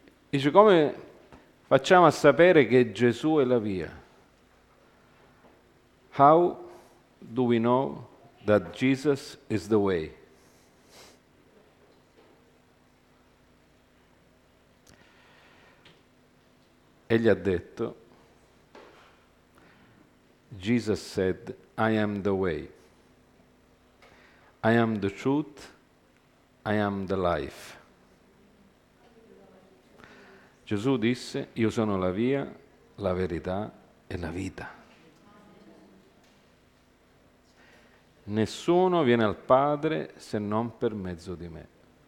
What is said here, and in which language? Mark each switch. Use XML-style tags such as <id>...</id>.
<it>Dice: come facciamo a sapere che Gesù è la via?</it> <en>How do we know that Jesus is the way?</en> <it>Egli ha detto,</it> <en>Jesus said, I am the way, I am the truth, I am the life.</en> <it>Gesù disse, io sono la via, la verità e la vita. Nessuno viene al Padre se non per mezzo di me.</it>